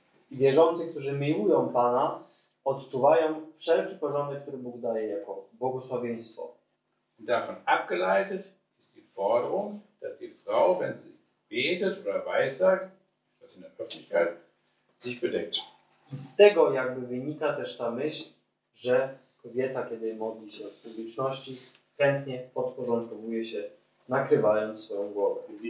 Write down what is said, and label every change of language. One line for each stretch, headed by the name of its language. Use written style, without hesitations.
Polish: Wierzący, którzy miłują Pana, odczuwają wszelki porządek, który Bóg daje jako błogosławieństwo.
German: Davon abgeleitet ist die Forderung, dass die Frau, wenn sie betet oder weissagt, was in der Öffentlichkeit, sich bedeckt.
Polish: Z tego jakby wynika też ta myśl, że kobieta, kiedy modli się w publiczności, chętnie podporządkowuje się, nakrywając swoją głowę.